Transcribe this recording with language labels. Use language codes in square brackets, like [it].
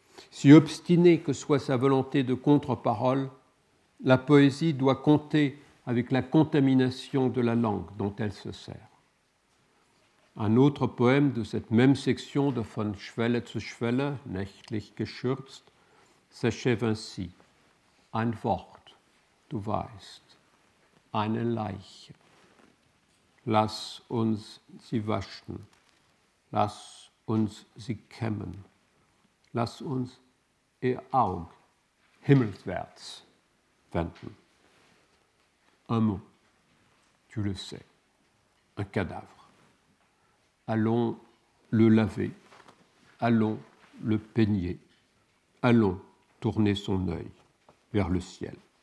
[fr] Si obstinée que soit sa volonté de contre-parole, la poésie doit compter avec la contamination de la langue dont elle se sert. Un autre poème de cette même section de Von Schwelle zu Schwelle, nächtlich geschürzt, s'achève ainsi. [de] Ein Wort, du weißt, eine Leiche. Lass uns sie waschen, lass uns sie kämmen, lass uns ihr Auge himmelswärts wenden. [fr] Un mot, tu le sais, un cadavre. Allons le laver, allons le peigner, allons tourner son œil vers le ciel.